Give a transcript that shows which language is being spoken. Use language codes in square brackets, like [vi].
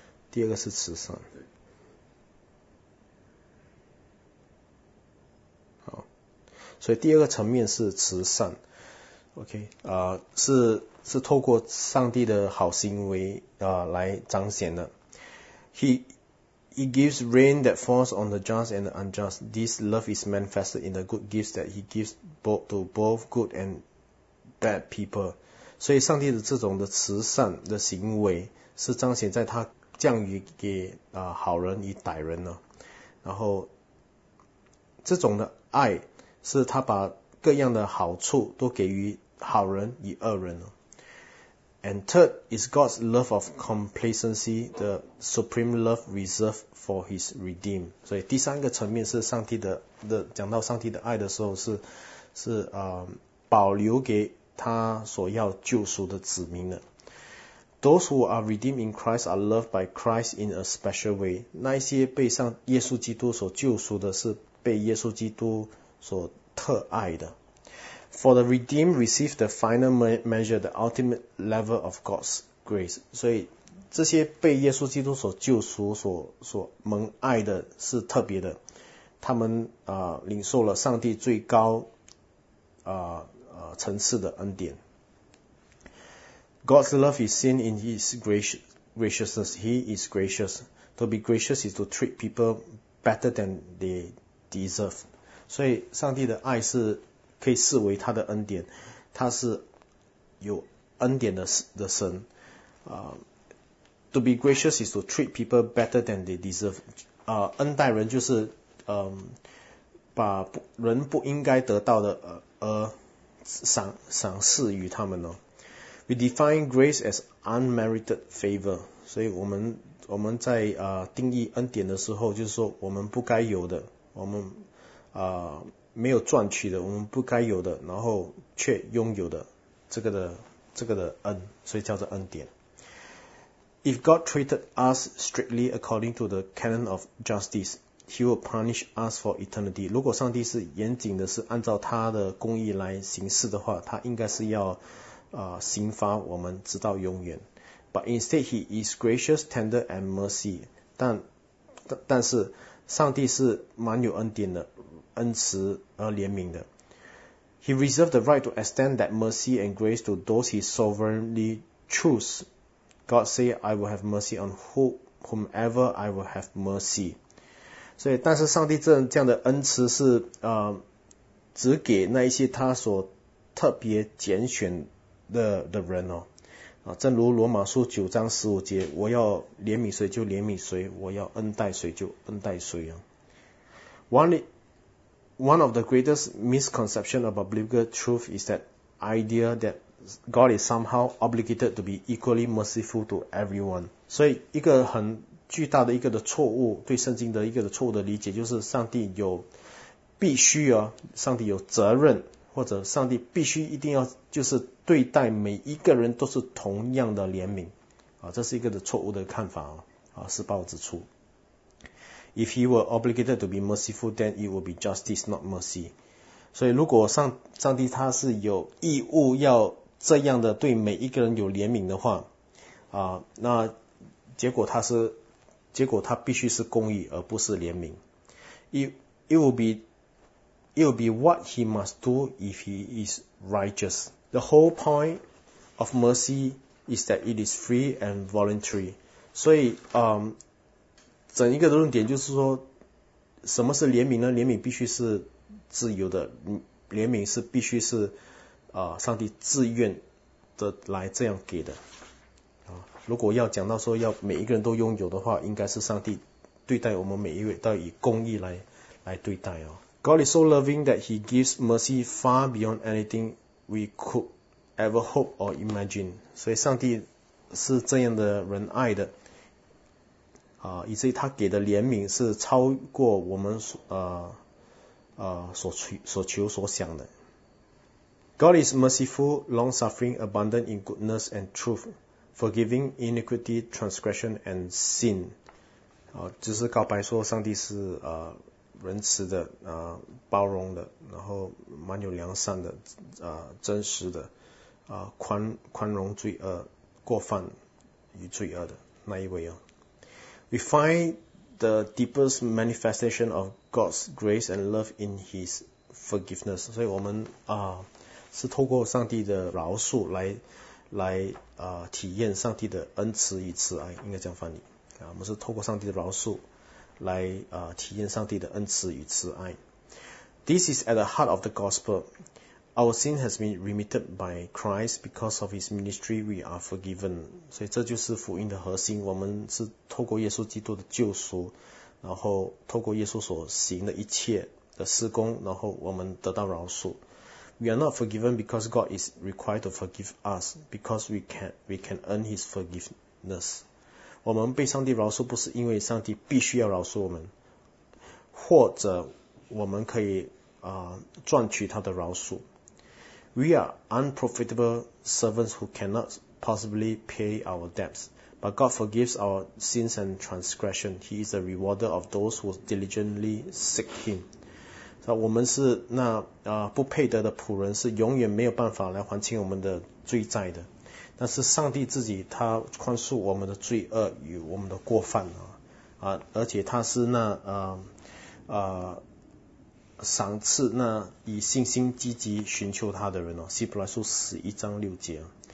[zh] 第二个是慈善。对。所以第二个层面是慈善 ，OK， 是透过上帝的好行为来彰显的。 [en] He gives rain that falls on the just and the unjust. This love is manifested in the good gifts that he gives both to both good and bad people. [zh] 所以上帝的这种的慈善的行为是彰显在他降雨给好人与歹人呢。然后这种的爱，是他把各样的好处都给予好人与恶人。 [en] And third is God's love of complacency, the supreme love reserved for his redeemed. [zh] 所以第三个层面是上帝的讲到上帝的爱的时候是保留给他所要救赎的子民的。 [en] Those who are redeemed in Christ are loved by Christ in a special way. [zh] 那些被上耶稣基督所救赎的是被耶稣基督所特爱的。 [en] For the redeemed receive the final measure, the ultimate level of God's grace. [zh] 所以这些被耶稣基督所救赎所蒙爱的是特别的。他们领受了上帝最高层次的恩典。 [en] God's love is seen in His graciousness. He is gracious. To be gracious is to treat people better than they deserve. [zh] 所以上帝的爱是可以视为他的恩典，他是有恩典的神。 [en] To be gracious is to treat people better than they deserve. [zh] 恩待人就是把人不应该得到的赏赐于他们哦。 [en] We define grace as unmerited favor. [zh] 所以我们在定义恩典的时候，就是说我们不该有的，我们没有赚取的，我们不该有的，然后却拥有的这个的恩，所以叫做恩典。 [en] If God treated us strictly according to the canon of justice, He will punish us for eternity. [zh] 如果上帝是严谨的，是按照他的公义来行事的话，他应该是要刑罚我们直到永远。 [en] But instead, He is gracious, tender, and mercy. [zh] 但是上帝是蛮有恩典的，恩慈而怜悯的。 [en] He reserved the right to extend that mercy and grace to those He sovereignly choose. God say, I will have mercy on whomever I will have mercy. [zh] 所以，但是上帝这样的恩慈是只给那一些他所特别拣选的人哦。正如罗马书九章十五节，我要怜悯谁就怜悯谁，我要恩待谁就恩待谁啊。 [en] One of the greatest misconceptions about biblical truth is that idea that God is somehow obligated to be equally merciful to everyone. [zh] 所以一个很巨大的一个的错误，对圣经的一个的错误的理解，就是上帝有必须啊，上帝有责任，或者上帝必须一定要就是对待每一个人都是同样的怜悯啊，这是一个的错误的看法啊。时报指出。 [en] If he were obligated to be merciful, then it would be justice, not mercy. [zh] 所以如果上帝他是有义务要这样的对每一个人有怜悯的话那结果他必须是公义而不是怜悯。 [en] It will be what he must do if he is righteous. The whole point of mercy is that it is free and voluntary. [zh] 所以整一个论点就是说，什么是怜悯呢？怜悯必须是自由的，怜悯是必须是上帝自愿的来这样给的。如果要讲到说要每一个人都拥有的话，应该是上帝对待我们每一位都以公义来对待哦。 [en] God is so loving that He gives mercy far beyond anything we could ever hope or imagine. [zh] 所以上帝是这样的仁爱的。以至于他给的怜悯是超过我们所求所想的。 [en] God is merciful, long-suffering, abundant in goodness and truth, forgiving iniquity, transgression, and sin. [zh] 就是告白说上帝是仁慈的包容的，然后蛮有良善的真实的宽容罪恶过犯与罪恶的那一位哦。 [en] We find the deepest manifestation of God's grace and love in His forgiveness. [zh] 所以我们是透过上帝的饶恕来体验上帝的恩慈与慈爱，应该这样翻译。我们是透过上帝的饶恕来体验上帝的恩慈与慈爱。 [en] This is at the heart of the gospel. Our sin has been remitted by Christ because of His ministry. We are forgiven. [zh] 所以这就是福音的核心。我们是透过耶稣基督的救赎，然后透过耶稣所行的一切的施工，然后我们得到饶恕。 [en] We are not forgiven because God is required to forgive us because we can earn His forgiveness. [zh] 我们被上帝饶恕不是因为上帝必须要饶恕我们，或者我们可以赚取他的饶恕。 [en] We are unprofitable servants who cannot possibly pay our debts. But God forgives our sins and transgression. He is the rewarder of those who diligently seek Him. [zh] 我们是那、不配得的仆人，是永远没有办法来还清我们的罪债的。但是上帝自己他宽恕我们的罪恶与我们的过犯、而且他是那、赏赐那以信心积极寻求他的人、希伯来书11:6。